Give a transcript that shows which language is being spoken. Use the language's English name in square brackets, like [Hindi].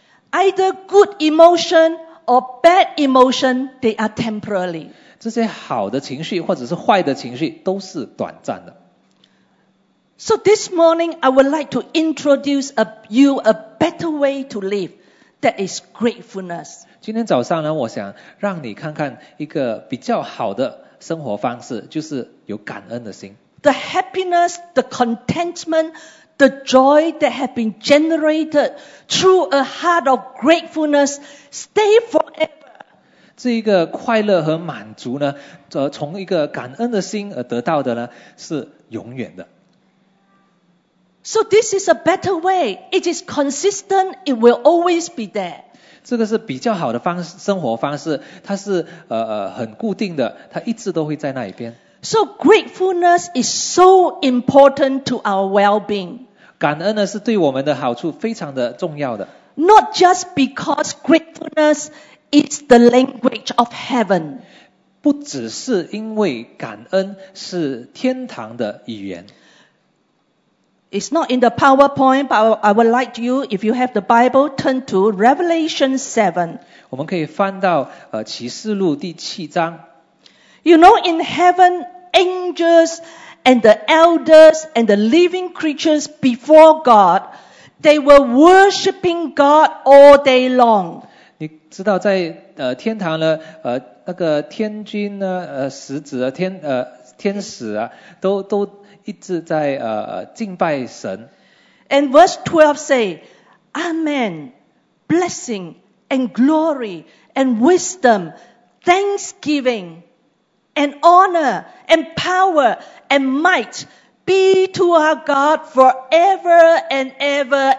[English] Either good emotion or bad emotion, they are temporary. [Chinese] 这些好的情绪或者是坏的情绪都是短暂的。 [English] So this morning, I would like to introduce you a better way to live, that is gratefulness. [Chinese] 今天早上呢，我想让你看看一个比较好的生活方式，就是有感恩的心。 [English] The happiness, the contentment, the joy that have been generated through a heart of gratefulness stay forever. [Chinese] 这一个快乐和满足呢，从一个感恩的心而得到的呢，是永远的。 [English] So this is a better way. It is consistent. It will always be there. [Chinese] 这个是比较好的生活方式，它是很固定的，它一直都会在那一边。 [English] So gratefulness is so important to our well-being. [Chinese] 感恩呢是对我们的好处非常的重要的。 [English] Not just because gratefulness is the language of heaven. [Chinese] 不只是因为感恩是天堂的语言。 [English] It's not in the PowerPoint, but I would like you, if you have the Bible, turn to Revelation 7. [Chinese] 我们可以翻到启示录第七章。 [English] You know, in heaven, angels and the elders and the living creatures before God, they were worshipping God all day long. [Chinese] 你知道在天堂呢，那个天君呢，使者天使啊，都一直在敬拜神。 [English] And verse 12 say, Amen, blessing and glory and wisdom, thanksgiving and honor and power and might be to our God forever and ever.